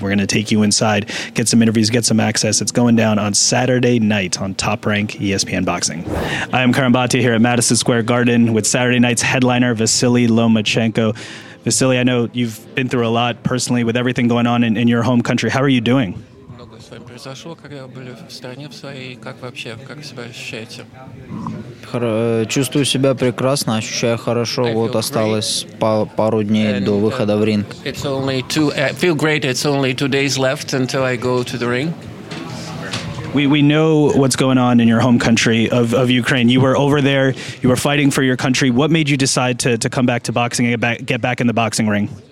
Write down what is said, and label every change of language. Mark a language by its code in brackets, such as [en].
[en] We're going to take you inside, get some interviews, get some access. It's going down on Saturday night on Top Rank ESPN Boxing. I'm Karan Bhatia here at Madison Square Garden with Saturday night's headliner, Vasily Lomachenko. Vasily, I know you've been through a lot personally with everything going on in your home country. How are you doing? [ru] Чувствую себя прекрасно, ощущаю хорошо. Вот осталось пару дней до выхода в ринг. [en] It's only two. I feel great. It's only 2 days left until I go to the ring. We know what's going on in your home country of Ukraine. You were over there. You were fighting for your country. What made you decide to come back to boxing and get back in the boxing ring?